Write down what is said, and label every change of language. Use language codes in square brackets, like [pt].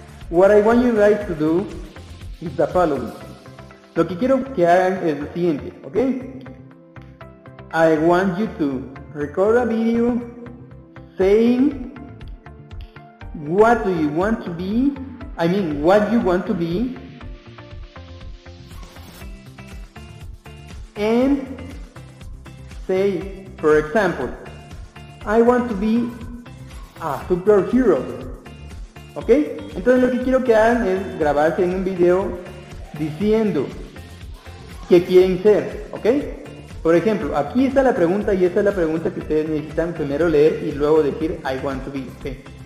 [en] What I want you guys to do is the following. [es] Lo que quiero que hagan es lo siguiente, ¿ok? [en] I want you to record a video saying what do you want to be, I mean, what you want to be, and say, for example, I want to be a superhero, ¿ok? [es] Entonces lo que quiero que hagan es grabarse en un video diciendo qué quieren ser, ¿ok? Por ejemplo, aquí está la pregunta y esta es la pregunta que ustedes necesitan primero leer y luego decir [en] I want to be, [es] ¿ok?